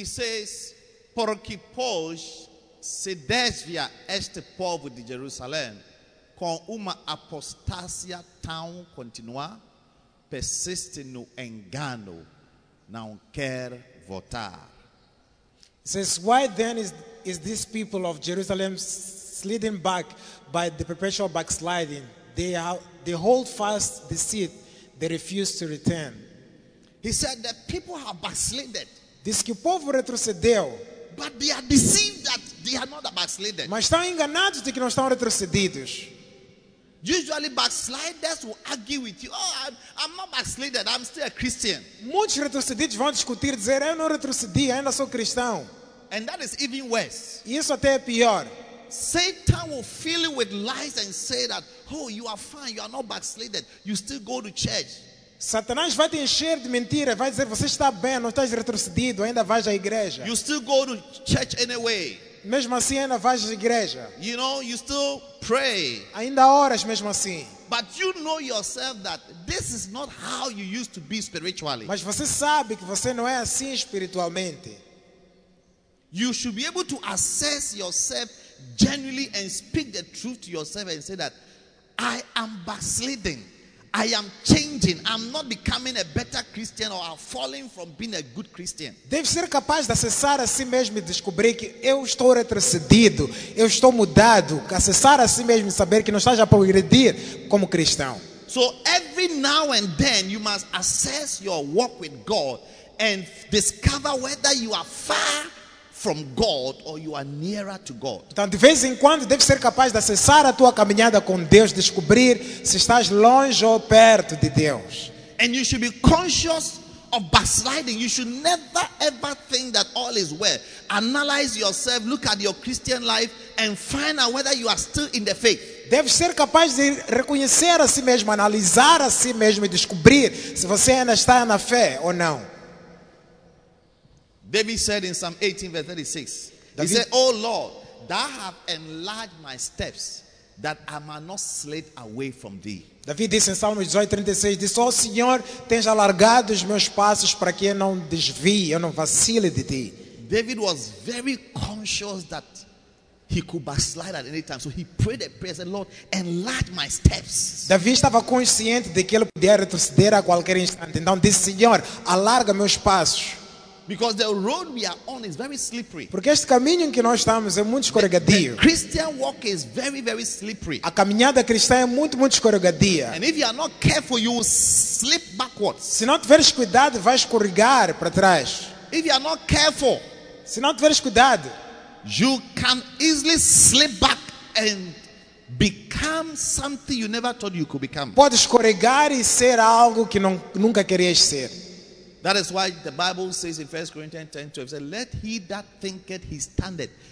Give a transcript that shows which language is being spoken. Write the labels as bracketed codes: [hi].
[en] It says, [pt] porque pois se desvia este povo de Jerusalém com uma apostasia tão continua, persiste no engano, não quer voltar. [en] It says, why then is this people of Jerusalem slidden back by the perpetual backsliding? They hold fast deceit. They refuse to return. He said that people have backslided. [pt] Diz que o povo retrocedeu. [en] But they are deceived that they are not backslided. [pt] Mas estão enganados de que não estão retrocedidos. [en] Usually backsliders will argue with you. Oh, I'm not backslided. I'm still a Christian. [pt] Muitos retrocedidos vão discutir, dizer, eu não retrocedi, ainda sou cristão. [en] And that is even worse. [pt] Isso até é pior. [en] Satan will fill you with lies and say that, oh, you are fine, you are not backslided, you still go to church. [pt] Satanás vai te encher de mentira, vai dizer, você está bem, não estás retrocedido, ainda vais à igreja. [en] You still go to church anyway. [pt] Mesmo assim, ainda vais à igreja. [en] You know, you still pray. [pt] Ainda oras mesmo assim. [en] But you know yourself that this is not how you used to be spiritually. [pt] Mas você sabe que você não é assim espiritualmente. [en] You should be able to assess yourself genuinely and speak the truth to yourself and say that I am backsliding. I am changing. I'm not becoming a better Christian or I'm falling from being a good Christian. [pt] Deve ser capaz de acessar a si mesmo e descobrir que eu estou retrocedido, eu estou mudado. Acessar a si mesmo e saber que não está já para agredir como cristão. [en] So every now and then you must assess your walk with God and discover whether you are far from God or you are nearer to God. [pt] Então, de vez em quando deve ser capaz de acessar a tua caminhada com Deus, descobrir se estás longe ou perto de Deus. [en] And you should be conscious of backsliding. You should never ever think that all is well. Analyze yourself, look at your Christian life and find out whether you are still in the faith. [pt] Deve ser capaz de reconhecer a si mesmo, analisar a si mesmo e descobrir se você ainda está na fé ou não. [en] David said in Psalm 18, verse 36, David, he said, O Lord, thou hast enlarged my steps, that I may not slide away from thee. [pt] David disse em Salmos 18, 36, disse, O Senhor, tens alargado os meus passos para que eu não desvie, eu não vacile de ti. [en] David was very conscious that he could backslide at any time. So he prayed a prayer, said, Lord, enlarge my steps. [pt] David estava consciente de que ele podia retroceder a qualquer instante. Então disse, Senhor, alarga meus passos. [en] Because the road we are on is very slippery. [pt] Porque este caminho em que nós estamos é muito escorregadio. [en] The Christian walk is very, very slippery. [pt] A caminhada cristã é muito, muito escorregadia. [en] And if you are not careful, you will slip backwards. [pt] Se não tiveres cuidado, vais escorregar para trás. [en] If you are not careful, [pt] se não tiveres cuidado, [en] you can easily slip back and become something you never thought you could become. [pt] Podes escorregar e ser algo que não, nunca querias ser. [en] That is why the Bible says in 1 Corinthians 10:12, let he that thinketh he standeth